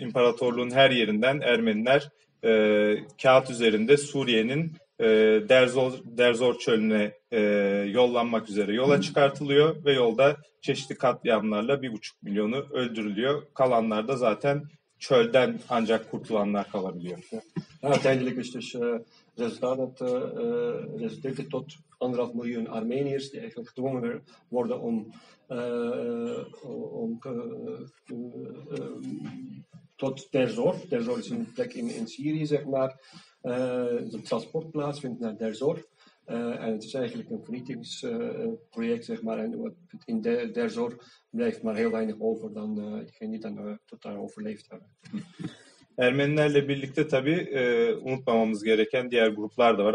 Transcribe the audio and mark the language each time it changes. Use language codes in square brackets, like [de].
[tr] İmparatorluğun her yerinden Ermeniler kağıt üzerinde Suriye'nin Derzor çölüne yollanmak üzere yola çıkartılıyor ve yolda çeşitli katliamlarla 1,5 milyonu öldürülüyor. Kalanlar da zaten çölden ancak kurtulanlar kalabiliyor. [nl] Uiteindelijk is dus resultaat resulteerde tot 1,5 miljoen Armeniërs die eigenlijk gedwongen worden om tot Derzor is een plek in Syrië, zeg maar. De transport plaatsvindt naar Derzor. En het is eigenlijk een vernietigingsproject, zeg maar. En in Derzor blijft maar heel weinig over dan diegenen die dan tot daar overleefd hebben. [tr] Ermenilerle birlikte tabii unutmamamız gereken diğer gruplar da var.